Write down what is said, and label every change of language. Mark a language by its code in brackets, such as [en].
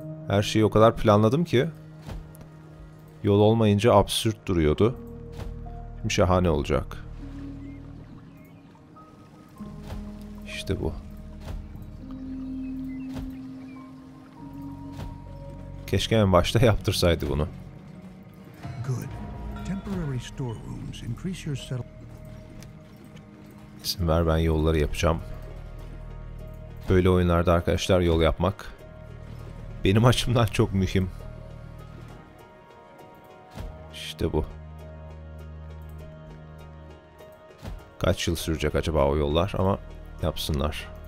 [tr] Her şeyi o kadar planladım ki. Yol olmayınca absürt duruyordu. Şimdi şahane olacak. İşte bu. Keşke en başta yaptırsaydı bunu. [en] Good. Temporary storerooms increase your settlement. [tr] İzin ver, ben yolları yapacağım. Böyle oyunlarda arkadaşlar yol yapmak benim açımdan çok mühim. İşte bu. Kaç yıl sürecek acaba o yollar ama yapsınlar.